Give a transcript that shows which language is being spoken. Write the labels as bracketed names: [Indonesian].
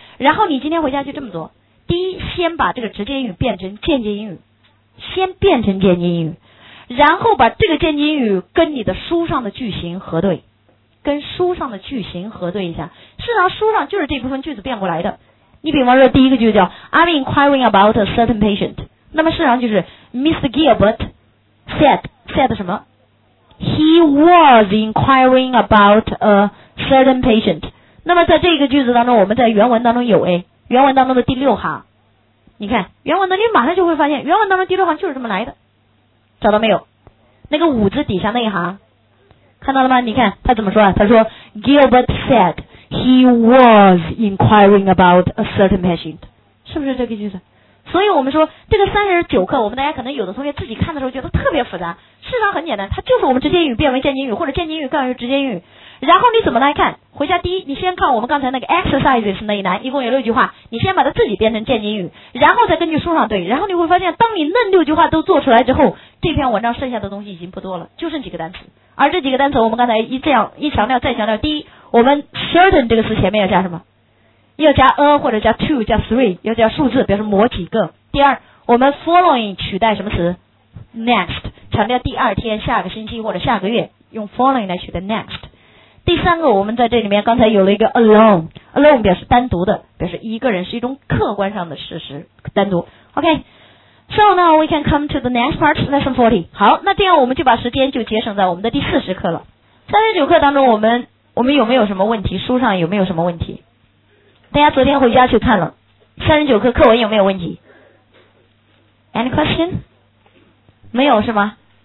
[Chinese] 然后你今天回家就这么做：第一，先把这个直接言语变成间接言语，先变成间接言语，然后把这个间接言语跟你的书上的句型核对。跟书上的句型核对一下，事实上书上就是这部分句子变过来的。你比方说第一个句子叫 [English] I'm inquiring about a certain patient， [Chinese] 那么事实上就是 Mr. [English] Gilbert said [Chinese] 什么， [English] He was inquiring about a certain patient。 [Chinese] 那么在这个句子当中，我们在原文当中有 A， 原文当中的第六行，你看原文当中，你马上就会发现原文当中第六行就是这么来的，找到没有？那个五字底下那一行看到了吗？你看他怎么说啊？他说 [English] Gilbert said he was inquiring about a certain patient， [Chinese] 是不是这个句子？所以我们说这个39课，我们大家可能有的同学自己看的时候觉得特别复杂，事实上很简单，它就是我们直接语变为间接语，或者间接语变为直接语。然后你怎么来看？回家第一，你先看我们刚才那个 exercises 那一栏，一共有六句话，你先把它自己变成间接语，然后再根据书上对，然后你会发现当你那六句话都做出来之后，这篇文章剩下的东西已经不多了，就剩几个单词。而这几个单词我们刚才一强调再强调，第一，我们 certain 这个词前面要加什么？要加 a 或者加 two 加 three， 要加数字，表示某几个。第二，我们 following 取代什么词？next， 强调第二天、下个星期或者下个月，用 following 来取代 next。第三个，我们在这里面刚才有了一个 alone 表示单独的，表示一个人，是一种客观上的事实，单独。 [English] OK，So now we can come to the next part, lesson 40. [Chinese] 好，那这样我们就把时间就节省在我们的第40课了。39课当中我们有没有什么问题？书上有没有什么问题？大家昨天回家去看了，39课课文有没有问题？ [English] Any question? [Chinese] 没有是吗？